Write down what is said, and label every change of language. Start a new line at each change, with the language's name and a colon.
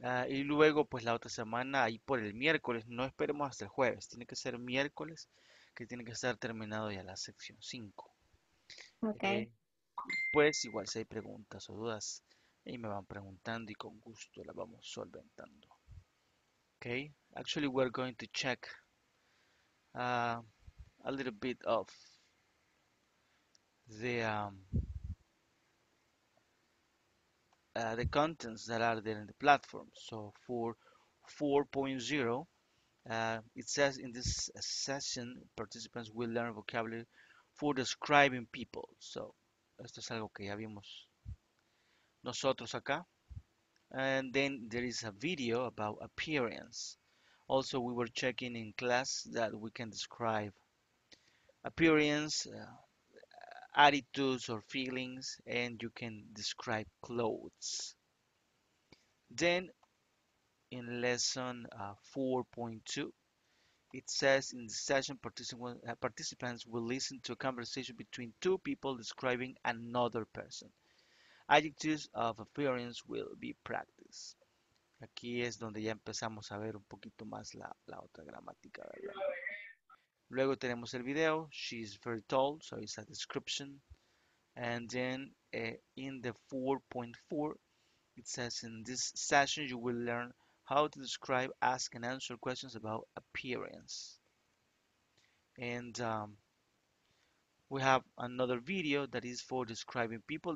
Spanish: Y luego, pues la otra semana, ahí por el miércoles, no esperemos hasta el jueves, tiene que ser miércoles, que tiene que estar terminado ya la sección 5. Okay. Pues igual si hay preguntas o dudas, ahí me van preguntando y con gusto la vamos solventando.
English: Okay, actually we're going to check a little bit of the contents that are there in the platform. So for 4.0, it says in this session, participants will learn vocabulary for describing people.
Spanish: So esto es algo que ya vimos nosotros acá.
English: And then there is a video about appearance. Also, we were checking in class that we can describe appearance, attitudes or feelings, and you can describe clothes. Then, in lesson 4.2, it says in the session, participants will listen to a conversation between two people describing another person. Adjectives of appearance will be practiced.
Spanish: Aquí es donde ya empezamos a ver un poquito más la otra gramática, ¿verdad? Luego tenemos el video.
English: She is very tall, so it's a description. And then in the 4.4, it says in this session you will learn how to describe, ask and answer questions about appearance. And we have another video that is for describing people.